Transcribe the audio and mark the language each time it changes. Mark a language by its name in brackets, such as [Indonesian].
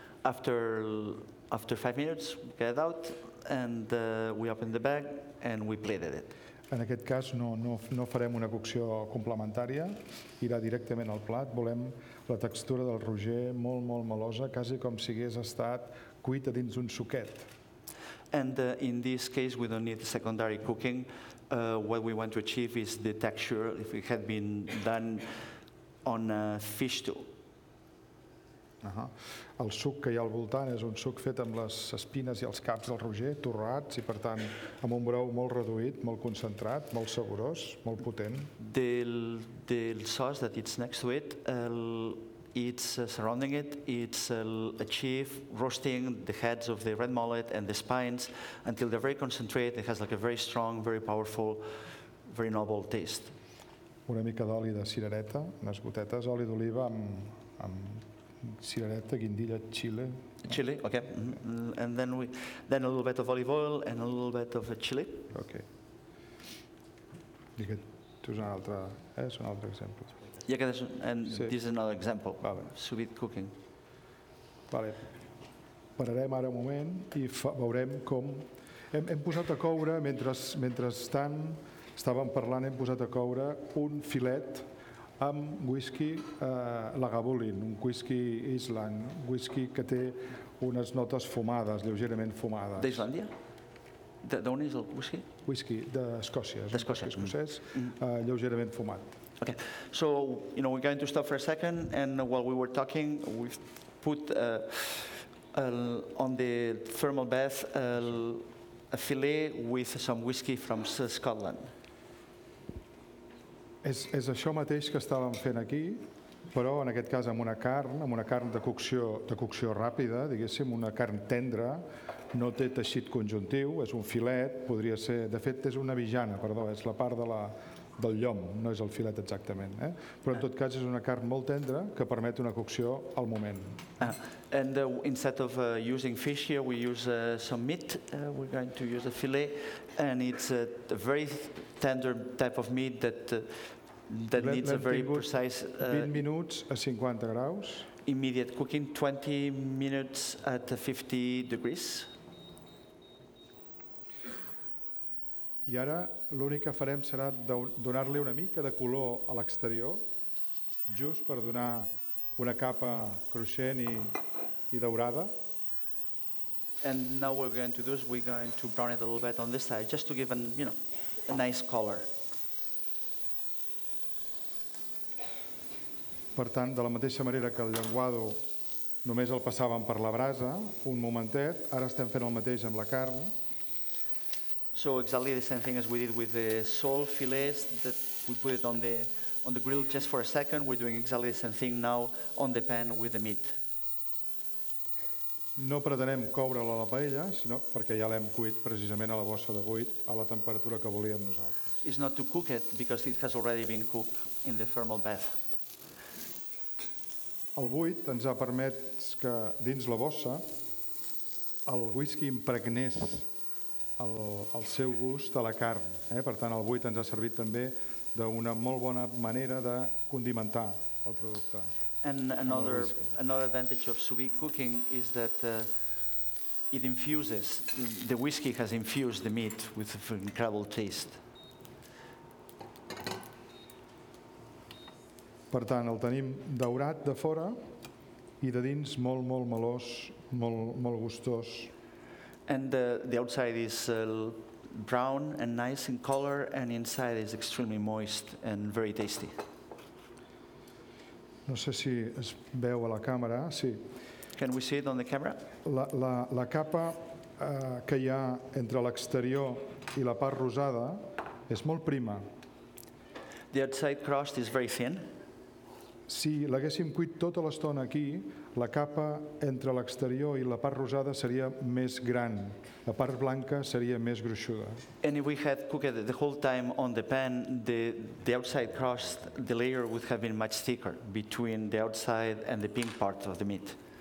[English] After 5 minutes, we get it out, and we open the bag, and we plated it. [Catalan] En aquest cas no farem una cocció complementària, irà directament al plat. Volem la textura del roger molt, molt melosa, quasi com si hagués estat cuit a dins d'un suquet. [English] And in this case we don't need secondary cooking. What we want to achieve is the texture if it had been done on a fish stew. [Catalan] El suc que hi ha al voltant és un suc fet amb les espines I els caps del roger, torrats, I per tant amb un brou molt reduït, molt concentrat, molt saborós, molt potent. [English] Del sauce that it's next to it, it's surrounding it, it's achieve roasting the heads of the red mullet and the spines until they're very concentrated. It has like a very strong, very powerful, very noble taste. [Catalan] Una mica d'oli de cirereta, unes gotetes, oli d'oliva amb, amb cirereta, guindilla, chili. [English] Chili, okay. Mm-hmm. And then then a little bit of olive oil and a little bit of chili. [Catalan] Okay. Digue, tu és un altre, és un altre exemple. [English] Yeah, and this is another example, sous-vide cooking. [Catalan] Vale. Pararem ara un moment I veurem com... Hem posat a coure, mentrestant estàvem parlant, hem posat a coure un filet amb whisky Lagavulin, un whisky Island, un whisky que té unes notes fumades, lleugerament fumades. D'Islàndia? D'on és el whisky? Whisky d'Escòcia. D'Escòcia. Whisky escocès, lleugerament fumat. [English] Okay, so you know we're going to stop for a second, and while we were talking, we put on the thermal bath a fillet with some whiskey from Scotland. [Catalan] És això mateix que estàvem fent aquí, però en aquest cas amb una carn de cocció ràpida, diguéssim, una carn tendra, no té teixit conjuntiu, és un filet, podria ser, de fet, és una vijana, perdó, és la part de la del llom, no és el filet exactament, eh? Però en tot cas és una carn molt tendra que permet una cocció al moment. [English] And instead of using fish here, we use some meat. We're going to use a fillet, and it's a very tender type of meat that needs a very precise [Catalan] 20 minuts a 50 graus. [English] Immediate cooking, 20 minutes at 50 degrees. [Catalan] I ara l'únic que farem serà donar-li una mica de color a l'exterior, just per donar una capa cruixent I daurada. [English] And now what we're going to do is we're going to brown it a little bit on this side, just to give an, you know, a nice color. [Catalan] Per tant, de la mateixa manera que el llenguado només el passàvem per la brasa, un momentet, ara estem fent el mateix amb la carn. [English] So exactly the same thing as we did with the sole fillets that we put it on the grill just for a second. We're doing exactly the same thing now on the pan with the meat. [Catalan] No pretenem coure-la a la paella, sinó perquè ja l'hem cuit precisament a la bossa de buit a la temperatura que volíem nosaltres. [English] It's not to cook it because it has already been cooked in the thermal bath. [Catalan] El buit ens ha permès que dins la bossa el whisky impregnés el seu gust a la carn, eh? Per tant, el buit ens ha servit també d'una molt bona manera de condimentar el producte. [English] And another advantage of sous-vide cooking is that it infuses, the whisky has infused the meat with an incredible taste. [Catalan] Per tant, el tenim daurat de fora I de dins molt, molt melós, molt, molt gustós. [English] And the outside is brown and nice in color, and inside is extremely moist and very tasty. [Catalan] No sé si es veu a la càmera, sí. [English] Can we see it on the camera? [Catalan] La capa que hi ha entre l'exterior I la part rosada és molt prima. [English] The outside crust is very thin. [Catalan] Si l'haguéssim cuit tota l'estona aquí, la capa entre l'exterior I la part rosada seria més gran. La part blanca seria més gruixuda. [English] And if we had cooked the whole time on the pan, the outside crust, the layer would have been much thicker between the outside and the pink part of the meat.